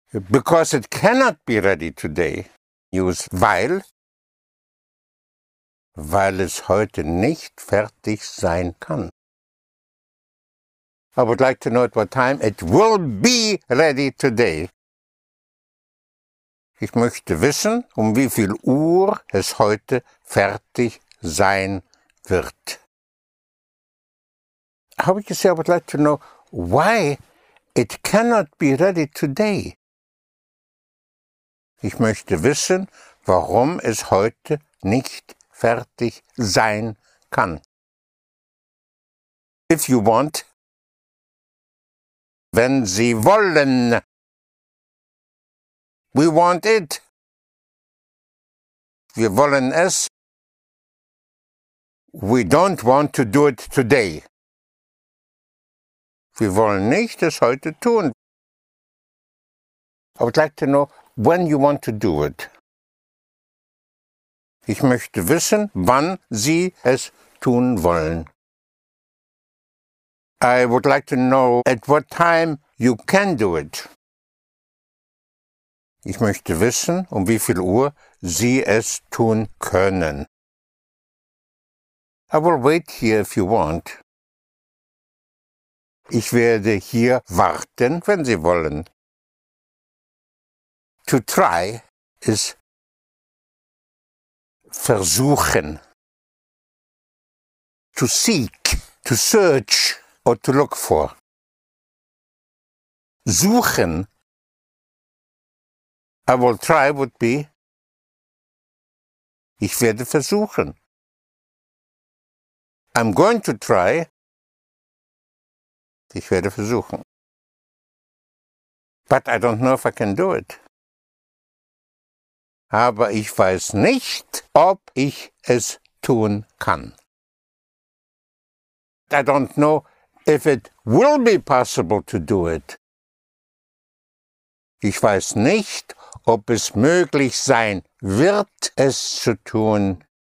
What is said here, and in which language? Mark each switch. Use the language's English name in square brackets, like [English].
[English] Because it cannot be ready today, use [German] weil es heute nicht fertig sein kann. [English] I would like to know at what time it will be ready today. [German] Ich möchte wissen, wie viel Uhr es heute fertig sein wird. [English] How would you say, I would like to know why it cannot be ready today? [German] Ich möchte wissen, warum es heute nicht fertig sein kann. [English] If you want, [German] wenn Sie wollen. [English] We want it. [German] Wir wollen es. [English] We don't want to do it today. [German] Wir wollen nicht es heute tun. [English] I would like to know when you want to do it. [German] Ich möchte wissen, wann Sie es tun wollen. [English] I would like to know at what time you can do it. [German] Ich möchte wissen, wie viel Uhr Sie es tun können. [English] I will wait here if you want. [German] Ich werde hier warten, wenn Sie wollen. [English] To try is versuchen. To seek, to search or to look for. [German] Suchen. [English] I will try would be, [German] ich werde versuchen. [English] I'm going to try, [German] ich werde versuchen. [English] But I don't know if I can do it. [German] Aber ich weiß nicht, ob ich es tun kann. [English] I don't know if it will be possible to do it. [German] Ich weiß nicht, ob es möglich sein wird, es zu tun.